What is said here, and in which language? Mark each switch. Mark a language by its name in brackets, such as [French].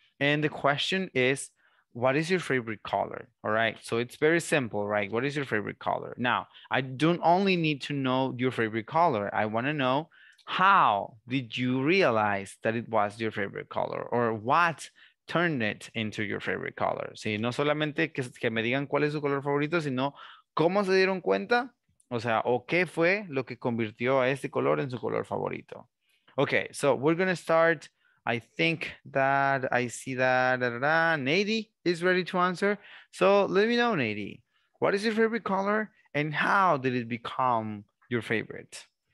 [English] And the question is, what is your favorite color? All right, so it's very simple, right? What is your favorite color? Now, I don't only need to know your favorite color. I want to know, how did you realize that it was your favorite color, or what turned it into your favorite color? [Spanish] Sí, no solamente que me digan cuál es su color favorito, sino cómo se dieron cuenta. O sea, ¿o qué fue lo que convirtió a este color en su color favorito? [English] Okay, so we're going to start. I think that I see that Nady is ready to answer. So let me know, Nady, what is your favorite color and how did it become your favorite?